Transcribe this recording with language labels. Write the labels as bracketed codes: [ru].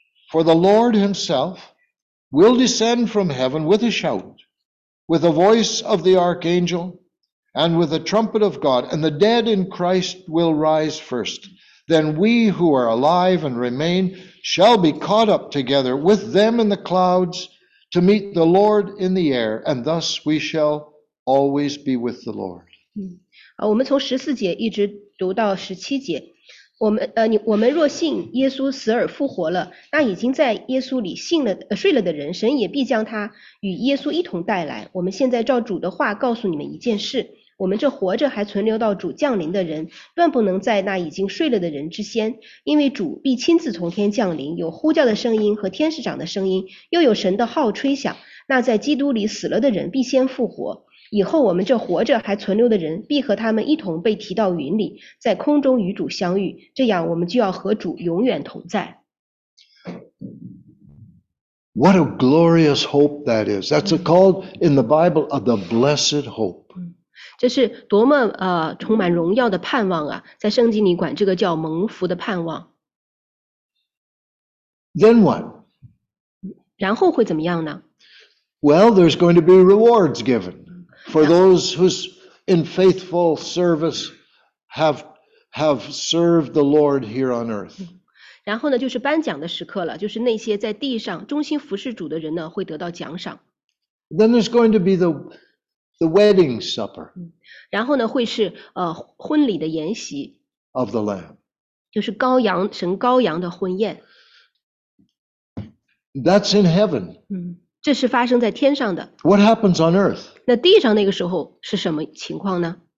[en] For the Lord himself will descend from heaven with a shout, with the voice of the archangel, and with the trumpet of God, and the dead in Christ will rise first. Then we who are alive and remain shall be caught up together with them in the clouds to meet the Lord in the air, and thus we shall. Always be with the Lord. [zh] 我们从十四节一直读到十七节。我们若信耶稣死而复活了，那已经在耶稣里信了睡了的人，神也必将他与耶稣一同带来。我们现在照主的话告诉你们一件事：我们这活着还存留到主降临的人，断不能在那已经睡了的人之先，因为主必亲自从天降临，有呼叫的声音和天使长的声音，又有神的号吹响。那在基督里死了的人必先复活。以后我们这活着还存留的人必和他们一同被提到云里，在空中与主相遇，这样我们就要和主永远同在。 [en] What a glorious hope that is. That's called in the Bible of the blessed hope. [zh] 这是多么充满荣耀的盼望啊，在圣经里管这个叫蒙福的盼望。 [en] Then what? [zh] 然后会怎么样呢？ [en] Well, there's going to be rewards given. For those who's in faithful service have served the Lord here on earth. [zh] 然后呢，就是颁奖的时刻了，就是那些在地上忠心服侍主的人呢，会得到奖赏。 [en] Then there's going to be the wedding supper. [zh] 然后呢，会是婚礼的筵席。 [en] Of the Lamb. [zh] 就是羔羊神羔羊的婚宴。 [en] That's in heaven. [zh] 这是发生在天上的。 [en] What happens on earth? [zh] 那地上那个时候是什么情况呢？